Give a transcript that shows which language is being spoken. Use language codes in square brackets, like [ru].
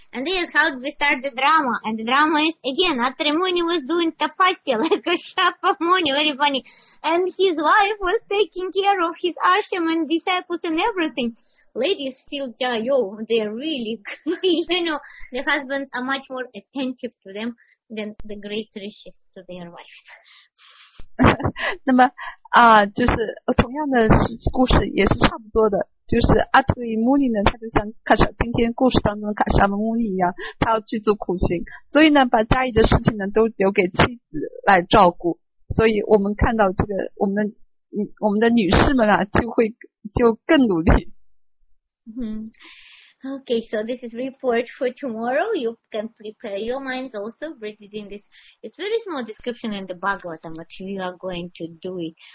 [en] And this is how we start the drama. And the drama is, again, Atri Muni was doing tapasya, like Kashyapa Muni, very funny. And his wife was taking care of his ashram and disciples and everything. Ladies feel, they're really good. You know, the husbands are much more attentive to them than the great rishis to their wives. [zh] 那么啊，就是同样的故事也是差不多的，就是阿图伊穆尼呢，他就像卡沙今天故事当中的卡沙姆穆尼一样，他要去做苦行，所以呢，把家里的事情呢都留给妻子来照顾。所以我们看到这个我们的女士们啊，就会更努力。 [en] Okay, so this is report for tomorrow. You can prepare your minds also reading this. It's very small description in the Bhagavatam, but we are going to do it.